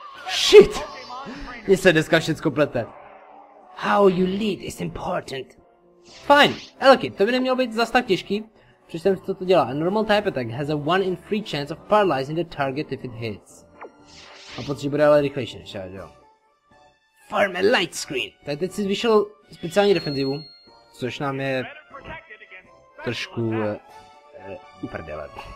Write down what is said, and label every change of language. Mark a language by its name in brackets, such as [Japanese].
[Czech] Shit, mě se dneska všecko plete. [English] How you lead is important. Fine, Elekid, [Czech] to by nemělo být zas tak těžký, přičem co to dělá. [English] A normal type attack has a 1 in 3 chance of paralyzing the target if it hits. [Czech] A pocit, že bude ale rychlejší než já, jo. [English] Form a light screen. [Czech] Tak teď si zvyšel speciální defenzivu, což nám je trošku uprdele.